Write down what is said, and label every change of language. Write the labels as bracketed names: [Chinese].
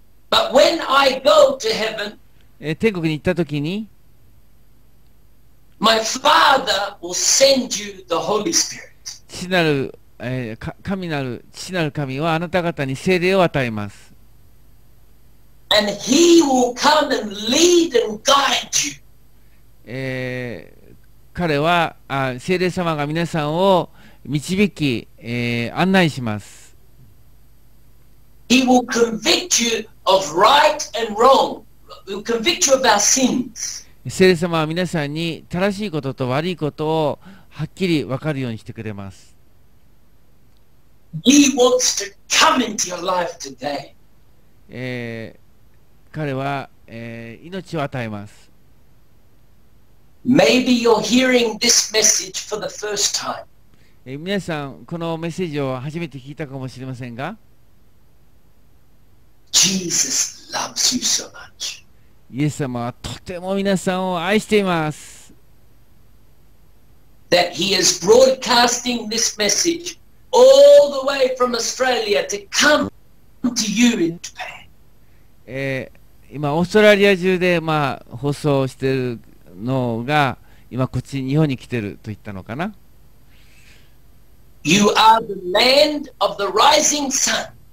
[English] But when I go to heaven, [Japanese] 天国に行ったときに、 [English] My Father will send you the Holy Spirit. [Japanese] 父なる、神なる、父なる神はあなた方に聖霊を与えます。 [English] And he will come and lead and guide you. [Japanese] 彼は聖霊様が皆さんを導き、案内します。 [English] He will convict you of right and wrong. We'll convict you of our sins. [Japanese] 聖霊様は皆さんに正しいことと悪いことをはっきり分かるようにしてくれます。 [English] He wants to come into your life today. [Japanese] 彼は、命を与えます。 [English] Maybe you're hearing this message for the first time. [Japanese] 皆さん、このメッセージを初めて聞いたかもしれませんが、 [English] Jesus loves you so much. [Japanese] イエス様はとても皆さんを愛しています。 [English] That he is broadcasting this message all the way from Australia to come to you in Japan. [Japanese] 今オーストラリア中で、まあ、放送しているのが今こっち日本に来てると言ったのかな。 [English] You are the land of the rising sun.